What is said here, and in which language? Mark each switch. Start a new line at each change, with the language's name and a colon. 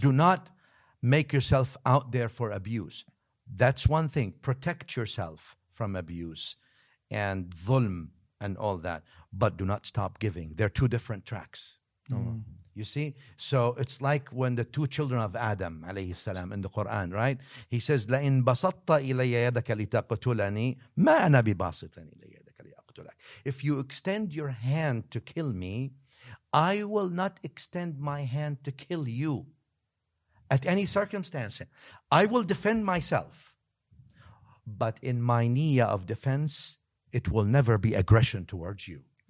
English: Do not make yourself out there for abuse. That's one thing. Protect yourself from abuse and dhulm and all that. But do not stop giving. They're two different tracks. You see? So it's like when the two children of Adam, alayhi salam, in the Quran, right? He says,
Arabic: لَإِن بَسَطَّ إِلَيَّ يَدَكَ لِتَقْتُلَنِي مَا أَنَا بِبَاسِطٍ إِلَيَّ يَدَكَ لِأَقْتُلَكَ.
English: If you extend your hand to kill me, I will not extend my hand to kill you at any circumstance. I will defend myself. But in my niyyah of defense, it will never be aggression towards you.